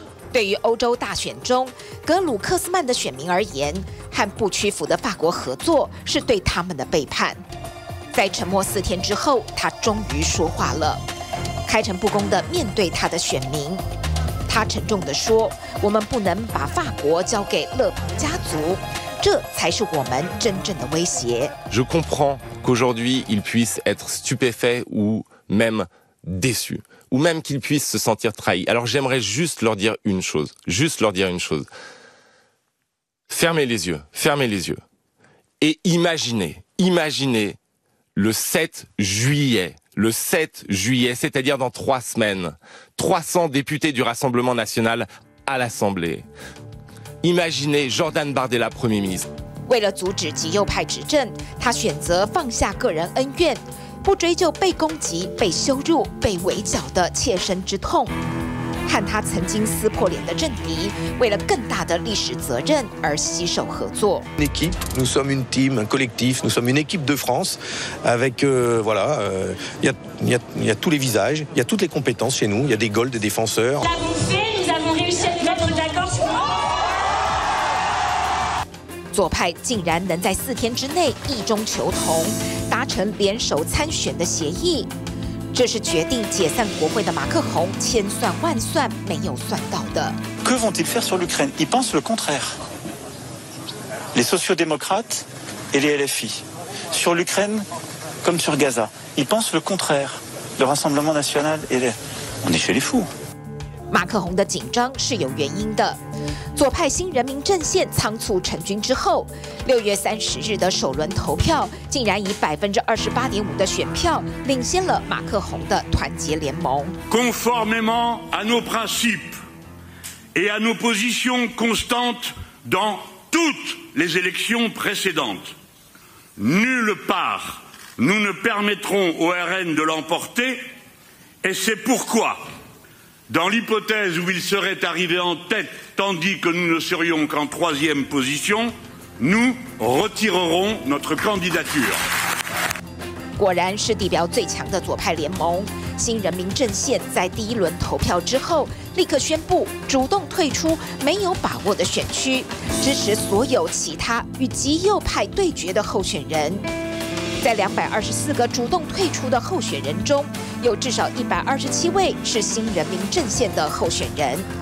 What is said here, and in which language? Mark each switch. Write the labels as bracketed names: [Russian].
[Chinese] 对于欧洲大选中格鲁克斯曼的选民而言，和不屈服的法国合作是对他们的背叛。在沉默4天之后，他终于说话了，开诚布公地面对他的选民。他沉重地说：“我们不能把法国交给勒庞家族，这才是我们真正的威胁。” [French] Je comprends qu'aujourd'hui il puisse être stupéfait ou même déçu. Ou même qu'ils puissent se sentir trahis. Alors j'aimerais juste leur dire une chose, juste leur dire une chose. Fermez les yeux, et imaginez le 7 juillet, c'est-à-dire dans 3 semaines, 300 députés du Rassemblement National à l'Assemblée. Imaginez Jordan Bardella Premier ministre. [Chinese] 为了阻止极右派执政，他选择放下个人恩怨，不追究被攻击、被羞辱、被围剿的切身之痛。和他曾经撕破脸的政敌，为了更大的历史责任而携手合作。 [French] Une équipe, nous sommes une team, un collectif, nous sommes une équipe de France. Avec voilà, il y a tous les visages, il y a toutes les compétences chez nous. Il y a des goals, des défenseurs. La bouffée, nous avons réussi à nous mettre d'accord sur. [Chinese] 左派竟然能在四天之内异中求同，达成联手参选的协议。这是决定解散国会的马克宏千算万算没有算到的。 [French] Que vont-ils faire sur l'Ukraine? Ils pensent le contraire. Les sociaux-démocrates et les LFI sur l'Ukraine comme sur Gaza, ils pensent le contraire. Le Rassemblement National et les... on est chez les fous. [Chinese] 马克宏的紧张是有原因的。左派新人民阵线仓促成军之后，六月三十日的首轮投票竟然以28.5%的选票领先了马克宏的团结联盟。 [French] Conformément à nos principes et à nos positions constantes dans toutes les élections précédentes, nulle part nous ne permettrons au RN de l'emporter, et c'est pourquoi, dans l'hypothèse où il serait arrivé en tête tandis que nous ne serions qu'en troisième position, nous retirerons notre candidature. [Chinese] 果然是地标最强的左派联盟，新人民阵线在第一轮投票之后立刻宣布主动退出没有把握的选区，支持所有其他与极右派对决的候选人。在224个主动退出的候选人中，有至少127位是新人民阵线的候选人。